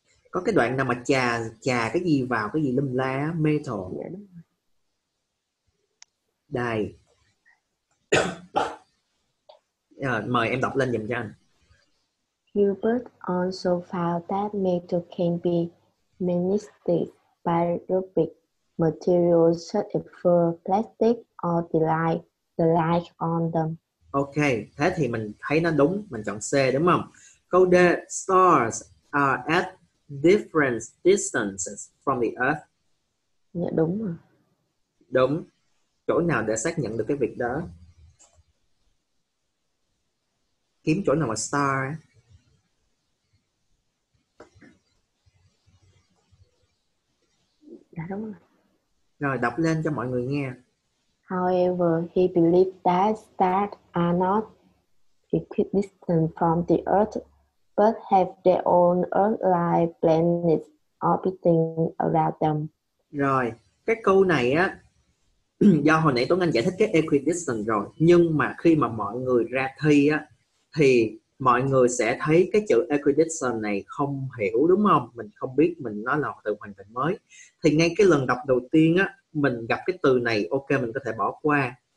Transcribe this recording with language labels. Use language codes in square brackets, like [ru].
[vi] Có cái đoạn nào mà chà cái gì vào, cái gì lum la, metal. Dạ, đây. Mời em đọc lên giùm cho anh. [en] Gilbert also found that metal can be magnetized by rubric materials such as fur, plastic, or the like. the light on them. [vi] Ok, thế thì mình thấy nó đúng, mình chọn C đúng không? [en] Câu D, stars are at different distances from the earth. [vi] Dạ đúng rồi. Đúng. Chỗ nào để xác nhận được cái việc đó? Kiếm chỗ nào mà star? Dạ đúng rồi. Rồi đọc lên cho mọi người nghe. [en] However, he believed that stars are not equidistant from the earth, but have their own earth-like planets orbiting around them. [vi] Rồi, cái câu này á, do hồi nãy Tuấn Anh giải thích cái equidistant rồi, nhưng mà khi mà mọi người ra thi á, thì mọi người sẽ thấy cái chữ equidistant này không hiểu đúng không? Mình không biết, mình nói là từ hoàn toàn mới. Thì ngay cái lần đọc đầu tiên á, mình gặp cái từ này, ok, mình có thể bỏ qua.